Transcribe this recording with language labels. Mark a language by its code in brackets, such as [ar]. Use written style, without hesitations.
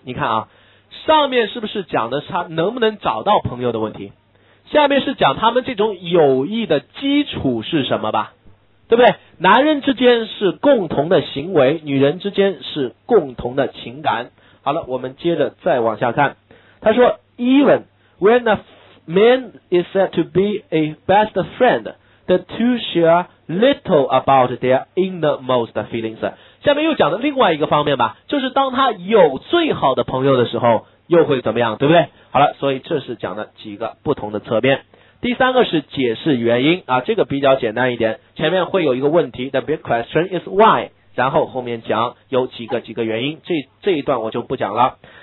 [zh] 你看啊，上面是不是讲的是他能不能找到朋友的问题，下面是讲他们这种友谊的基础是什么吧，对不对？男人之间是共同的行为，女人之间是共同的情感。好了，我们接着再往下看。 [en] 他说 Even when a man is said to be a best friend, the two share little about their innermost feelings。 [zh] 下面又讲了另外一个方面吧，就是当他有最好的朋友的时候又会怎么样，对不对？好了，所以这是讲了几个不同的侧面。第三个是解释原因啊，这个比较简单一点，前面会有一个问题 [en] The big question is why， [zh] 然后后面讲有几个原因，这一段我就不讲了。